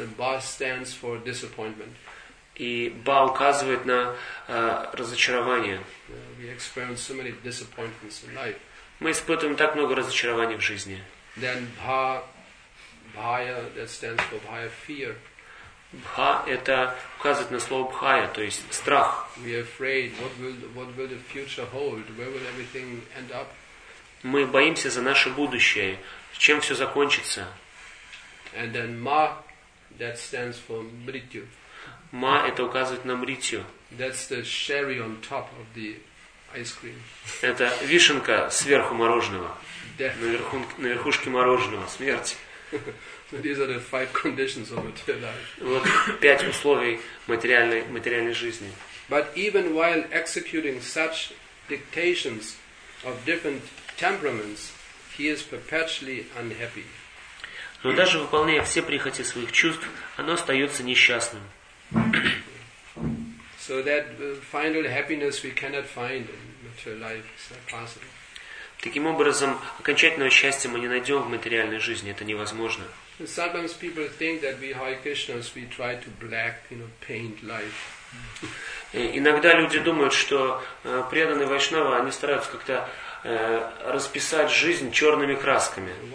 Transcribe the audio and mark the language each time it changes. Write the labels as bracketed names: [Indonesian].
[English] Ba stands for disappointment. [Russian] И ba указывает на разочарование. [English] We experience so many disappointments in life. [Russian] Мы испытываем так много разочарований в жизни. [English] Then bhaya, that stands for bhaya, fear. [Russian] Bha это указывает на слово bhaya, то есть страх. [English] We are afraid. What will the future hold? Where will everything end up? [Russian] Мы боимся за наше будущее. Чем все закончится? [English] And then ma, that stands for mrityu. [Russian] Ma это указывает на mrityu. [English] That's the cherry on top of the ice cream. [Russian] Это вишенка сверху мороженого. На верхушке мороженого. Смерть. [English] These are the five conditions of material life. [Russian] Вот пять условий материальной жизни. [English] But even while executing such dictations of different temperaments, he is perpetually unhappy. [Russian] Но даже выполняя все прихоти своих чувств, оно остается несчастным. [English] So that final happiness we cannot find in material life is not possible. [Russian] Таким образом, окончательного счастья мы не найдем в материальной жизни, это невозможно. [English] And sometimes people think that we Hare Krishnas we try to black, you know, paint life. [Russian] Иногда люди думают, что преданные вайшнавы, они стараются как-то расписать жизнь черными красками.